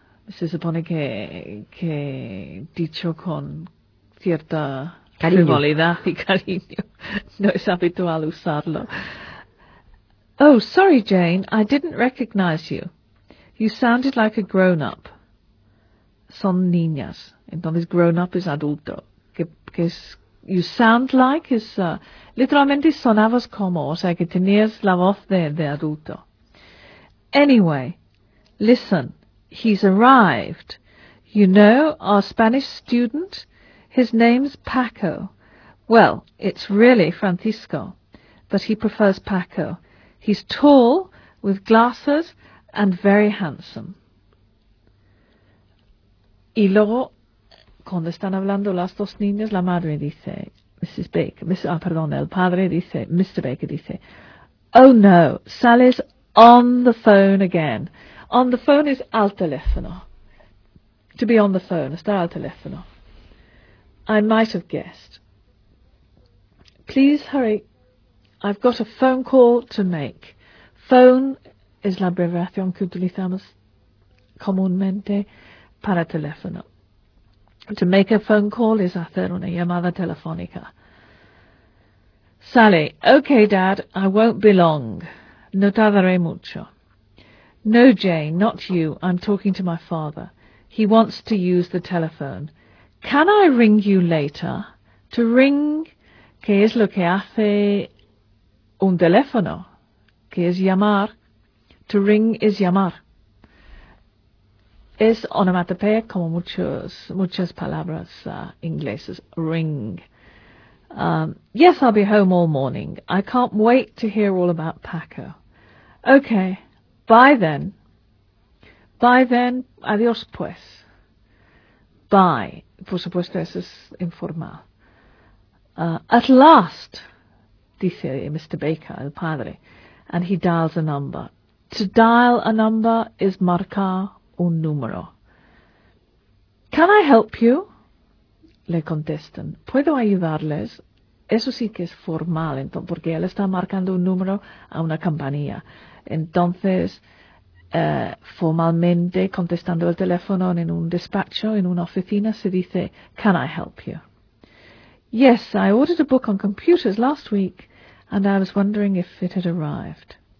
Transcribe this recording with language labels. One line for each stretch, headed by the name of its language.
Spanish: Se supone que dicho con cierta cariño. Frivolidad y cariño. No es habitual usarlo.
English: Oh, sorry, Jane, I didn't recognize you. You sounded like a grown-up.
Spanish: Son niñas. Entonces, grown-up es adulto. Que es,
English: you sound like is,
Spanish: literalmente sonabas como, o sea, que tenías la voz de adulto.
English: Anyway, listen, he's arrived. You know our Spanish student? His name's Paco. Well, it's really Francisco, but he prefers Paco. He's tall, with glasses, and very handsome.
Spanish: Y luego, cuando están hablando las dos niñas, la madre dice, Mrs. Baker, el padre dice, Mr.
English: Baker dice, oh no, Sally's on the phone again. On the phone is
Spanish: al teléfono.
English: To be on the phone,
Spanish: estar al teléfono.
English: I might have guessed. Please hurry. I've got a phone call to make.
Spanish: Phone es la abreviación que utilizamos comúnmente para teléfono.
English: To make a phone call is
Spanish: hacer una llamada telefónica.
English: Sally, okay, Dad, I won't be long.
Spanish: No tardaré mucho.
English: No, Jane, not you. I'm talking to my father. He wants to use the telephone. Can I ring you later? To ring,
Spanish: ¿qué es lo que hace un teléfono? ¿Qué es llamar?
English: To ring is
Spanish: llamar. Es onomatopeya como muchas palabras inglesas.
English: Ring. Yes, I'll be home all morning. I can't wait to hear all about Paco. Okay. Bye then. Bye then.
Spanish: Adiós pues.
English: Bye.
Spanish: Por supuesto, eso es informal.
English: At last,
Spanish: dice
English: Mr. Baker,
Spanish: el padre,
English: and he dials a number. To dial a number is
Spanish: marcar un número.
English: Can I help you?
Spanish: Le contestan. ¿Puedo ayudarles? Eso sí que es formal, entonces, porque él está marcando un número a una compañía. Entonces, formalmente, contestando el teléfono en un despacho, en una oficina, se dice,
English: can I help you? Yes, I ordered a book on computers last week, and I was wondering if it had arrived.